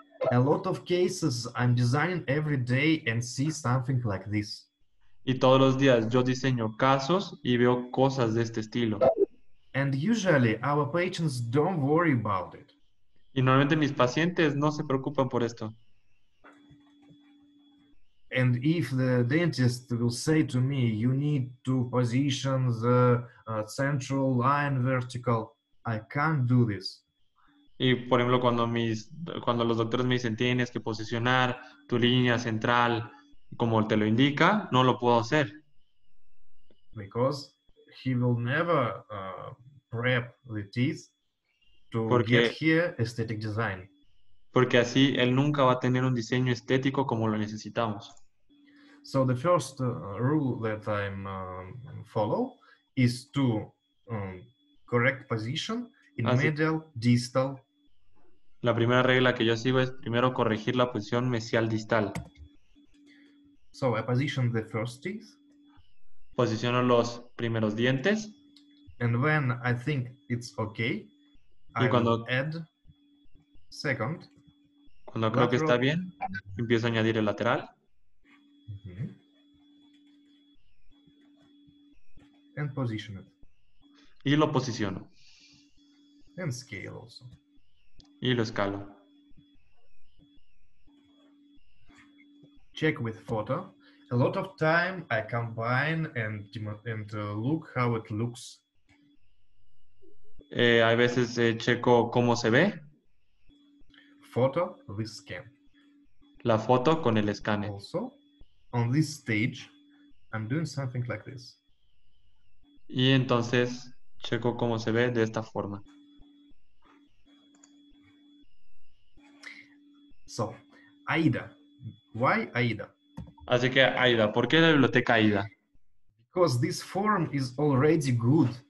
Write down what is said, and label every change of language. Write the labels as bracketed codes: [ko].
[en] A lot of cases I'm designing every day and see something like this. [es] Y todos los días yo diseño casos y veo cosas de este estilo. [en] And usually our patients don't worry about it. [es] Y normalmente mis pacientes no se preocupan por esto. [en] And if the dentist will say to me, you need to position the central line vertical, I can't do this. [es] Y por ejemplo, cuando los doctores me dicen, tienes que posicionar tu línea central como te lo indica, no lo puedo hacer. [en] Because he will never prep the teeth to get here aesthetic design. [es] Porque así él nunca va a tener un diseño estético como lo necesitamos. [en] So the first rule that I'm follow is to correct position in medial distal [es] La primera regla que yo sigo es primero corregir la posición mesial distal. [en] So, I position the first teeth. [es] Posiciono los primeros dientes. [en] And when I think it's okay, [es] y cuando, [en] add second. [es] Cuando creo lateral. Que está bien, empiezo a añadir el lateral. Mm-hmm. [en] And position it. [es] Y lo posiciono. [en] And scale also. [es] Y lo escalo. [en] Check with photo. A lot of time I combine and look how it looks. [es] Hay veces checo cómo se ve. [en] Photo with scan. [es] La foto con el escáner. [en] Also, on this stage, I'm doing something like this. [es] Y entonces checo cómo se ve de esta forma. [en] So, AIDA. Why AIDA? [es] Así que AIDA, ¿por qué la biblioteca AIDA? [en] Because this form is already good.